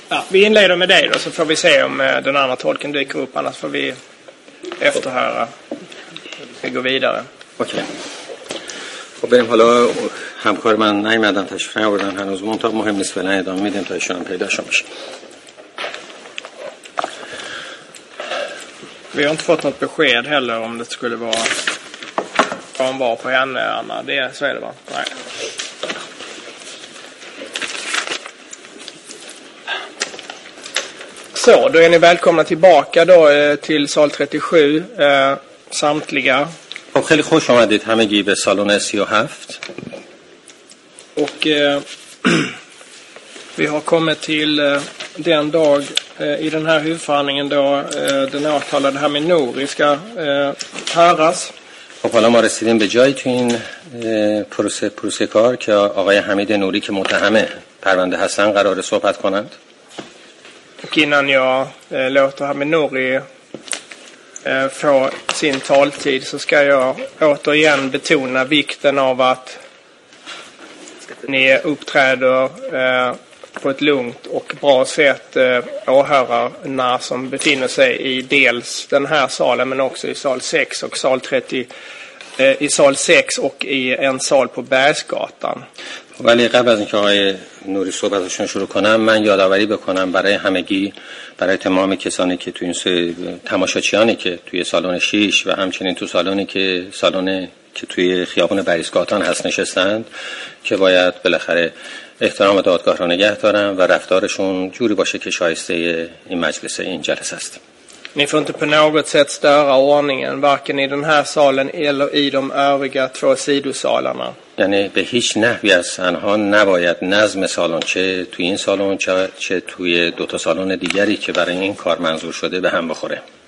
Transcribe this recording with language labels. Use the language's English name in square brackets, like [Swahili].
[Swedish] Vi inleder med dig då, så får vi se om den andra tolken dyker upp. Annars får vi efterhöra. Vi går vidare. Okej. [Persian] خب بریم حالا همکار من نیمدن تشریف نیاوردن هنوز من تا مهم نیست فعلا ادامه میدیم تا ایشون هم پیدا شون بشه. [Swedish] Vi har inte fått något besked heller om det skulle vara från var på henne Anna. Det är så är det va. Nej. Så då är ni välkomna tillbaka då till sal 37 samtliga. [Persian] خب خیلی خوش آمدید همگی به سالن 37. [Swedish] و vi har kommit till den dag i den här huvudförhandlingen då den åtalade här med Nori ska höras. [Persian] خب حالا ما رسیدیم به جایی تو این پروسه کار که آقای حمید نوری که متهم پرونده هستن قرار صحبت کنند. [Swedish] Innan jag låter här med Nori få sin taltid så ska jag återigen betona vikten av att ni uppträder på ett lugnt och bra sätt åhörarna som befinner sig i dels den här salen men också i sal 6 och sal 30 i sal 6 och i en sal på Bergsgatan. [Persian] ولی قبل از اینکه آقای نوری صحبتشون شروع کنم من یادآوری بکنم برای همگی برای تمام کسانی که تو این تماشاچیانی که توی سالن 6 و همچنین تو سالنی که سالن که توی خیابان بریزگاتان هست نشستند که باید بالاخره احترام دادگاه را نگه دارن و رفتارشون جوری باشه که شایسته این مجلس این جلسه است. [Swedish] Ni får inte på något sätt störa ordningen, varken i den här salen eller i de övriga två sidosalarna. [Persian] یعنی به هیچ نحوی از آنها نباید نظم سالن چه توی این سالن چه توی دو تا سالن دیگری که برای این کار منظور شده به هم بخوره.